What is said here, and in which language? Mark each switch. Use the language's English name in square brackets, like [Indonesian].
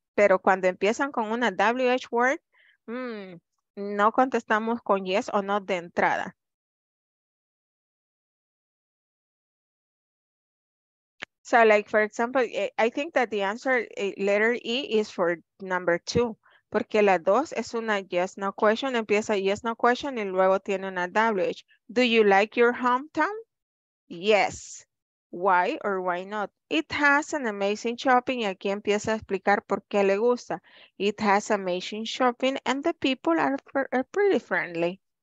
[Spanish] Pero cuando empiezan con una WH word, no contestamos con yes o no de entrada. [English] So like, for example, I think that the answer letter E is for number two. [Spanish] Porque la dos es una yes, no question. Empieza yes, no question y luego tiene una WH. [English] Do you like your hometown? Yes. Why or why not? It has an amazing shopping. [Spanish] Y aquí empieza a explicar por qué le gusta. [English] It has amazing shopping and the people are pretty friendly.